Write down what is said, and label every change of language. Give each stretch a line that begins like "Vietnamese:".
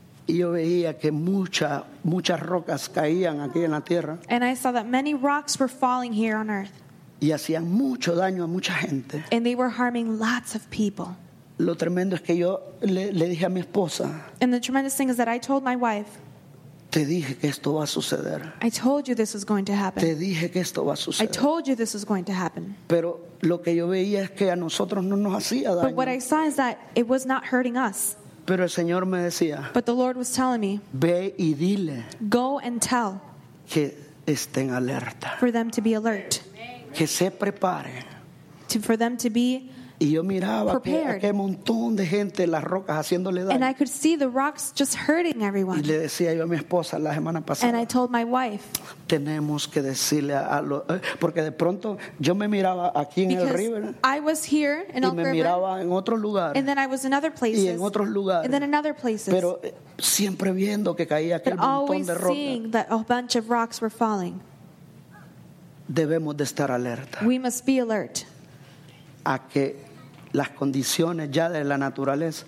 Spanish: Y yo veía que muchas rocas caían aquí en la tierra.
English: And I saw that many rocks were falling here on earth.
Spanish: Y hacían mucho daño a mucha gente.
English: And they were harming lots of people.
Spanish: Lo tremendo es que yo le dije a mi esposa.
English: And the tremendous thing is that I told my wife.
Spanish: Te dije que esto va a suceder.
English: I told you this was going to happen.
Spanish: Te dije que esto va a suceder.
English: I told you this was going to happen.
Spanish: Pero lo que yo veía es que a nosotros no nos hacía daño.
English: But what I saw is that it was not hurting us.
Spanish: Pero el Señor me decía.
English: But the Lord was telling me.
Spanish: Ve y dile.
English: Go and tell.
Spanish: Que estén alerta.
English: For them to be alert.
Spanish: Que se prepare.
English: For them to be.
Spanish: Y yo miraba aquel montón de gente, las rocas haciéndole daño.
English: And I could see the rocks just hurting everyone.
Spanish: Y le decía yo a mi esposa la semana pasada.
English: And I told my wife.
Spanish: Tenemos que decirle a los, porque de pronto yo me miraba aquí en el river.
English: I was here in Elk
Spanish: River. Y me miraba en otro lugar.
English: And then I was in other places.
Spanish: Y en otros lugares.
English: And then in other places.
Spanish: Pero siempre viendo que caía aquel montón de rocas.
English: But always seeing that a bunch of rocks were falling.
Spanish: Debemos de estar alerta.
English: We must be alert.
Spanish: A que las condiciones ya de la naturaleza.